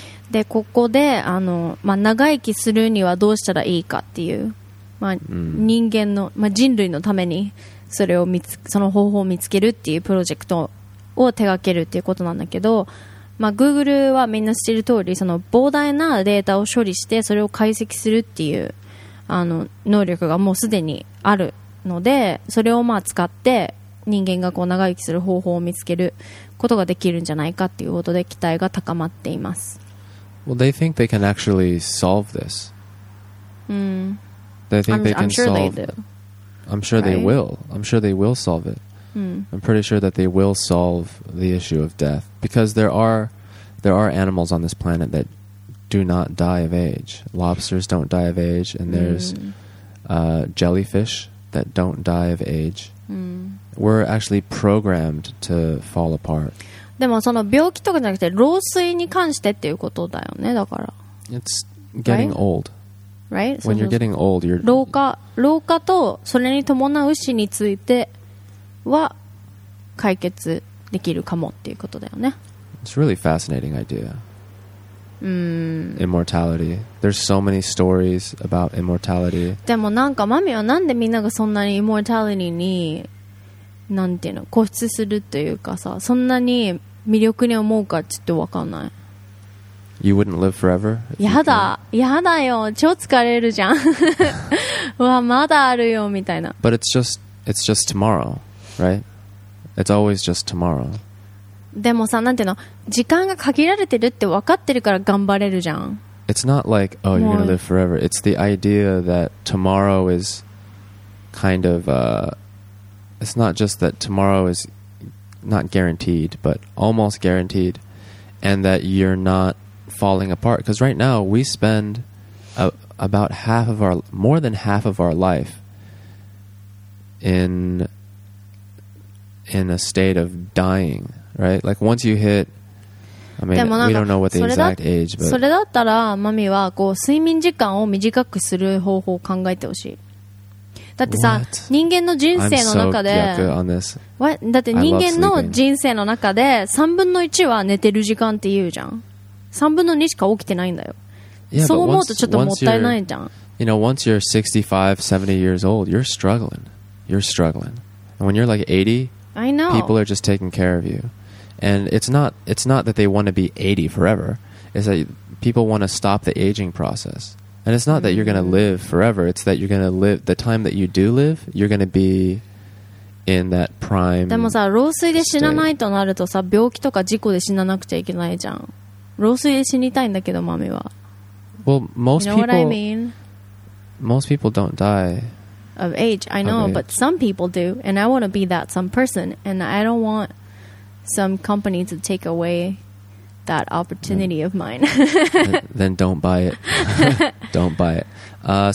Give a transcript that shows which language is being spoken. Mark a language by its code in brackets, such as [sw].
[ja] でここで長生きするにはどうしたらいいかっていう、人間の、人類のためにそれを見つその方法を見つけるっていうプロジェクトを手掛けるっていうことなんだけど、Google はみんな知ってる通りその膨大なデータを処理してそれを解析するっていう能力がもうすでにあるので、それを使って人間がこう長生きする方法を見つけることができるんじゃないかっていうことで期待が高まっています。 [en] Well, they think they can actually solve this. They think they can solve it. I'm sure they will. I'm sure they will solve it. I'm pretty sure that they will solve the issue of death, because there are animals on this planet that do not die of age. Lobsters don't die of age, and there's jellyfish that don't die of age. We're actually programmed to fall apart. [ja] でもその病気とかじゃなくて老衰に関してっていうことだよね。だから [en] It's getting old. Right? When you're getting old, you're [ja] 老化とそれに伴う死については解決できるかもっていうことだよね。 [en] It's a really fascinating idea. Immortality. There's so many stories about immortality. [ja] でもなんかマミはなんでみんながそんなに immortality になんていうの固執するというかさ、そんなに魅力に思うかちょっとわかんない。 [en] You wouldn't live forever? [ja] やだ、やだよ、超疲れるじゃん。わ、まだあるよみたいな。 [en] But it's just tomorrow, right? It's always just tomorrow. [ja] でもさ、なんていうの、時間が限られてるって分かってるから頑張れるじゃん。 [en] It's not like, oh, you're gonna live forever. It's the idea that tomorrow is kind of, it's not just that tomorrow is not guaranteed, but almost guaranteed, and that you're not falling apart. Because right now, we spend about half of our, more than half of our life in a state of dying. Right? Like once you hit, I mean, we don't know what the exact age, but. [ja] それだったらマミはこう睡眠時間を短くする方法を考えてほしい。だってさ、人間の人生の中で、 [en] What? [ja] だって人間の人生の中で三分の一は寝てる時間って言うじゃん。三分の二しか起きてないんだよ。 [en] Yeah, [ja] そう思うとちょっともったいないじゃん。 [en] You know, once you're 65, 70 years old, you're struggling. You're struggling. And when you're like 80, I know. People are just taking care of you. And it's not that they want to be 80 forever. It's that people want to stop the aging process. And it's not that you're going to live forever. It's that you're going to live... The time that you do live, you're going to be in that prime state. [ja] でもさ、老衰で死なないとなるとさ、病気とか事故で死ななくちゃいけないじゃん。老衰で死にたいんだけど、マミは。 [en] Well, most people... You know what I mean? Most people don't die... Of age, I know, but some people do, and I want to be that some person, and I don't want some company to take away that opportunity of mine. then don't buy it. don't buy it.